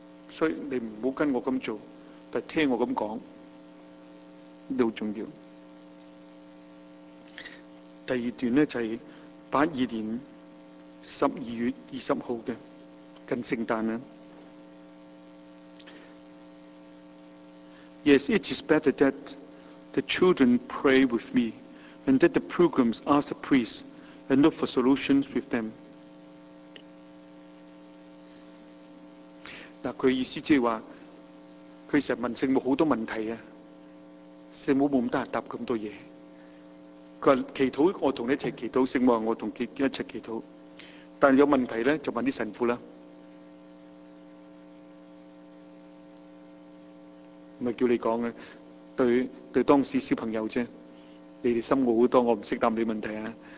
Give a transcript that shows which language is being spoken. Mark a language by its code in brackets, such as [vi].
[zh] 所以你不要跟我这样做，但是听我这样说，这很重要。第二段呢，就是82年12月20号的近圣诞。 [en] Yes, it is better that the children pray with me and that the pilgrims ask the priests and look for solutions with them。 [zh] 他的意思就是说，他经常问圣母很多问题，圣母没那么空回答那么多东西。他说祈祷我跟你一起祈祷，圣母说我跟你一起祈祷，但有问题呢就问神父了，不是叫你说的， 对当时小朋友而已，你们深奥很多，我不懂答你问题啊。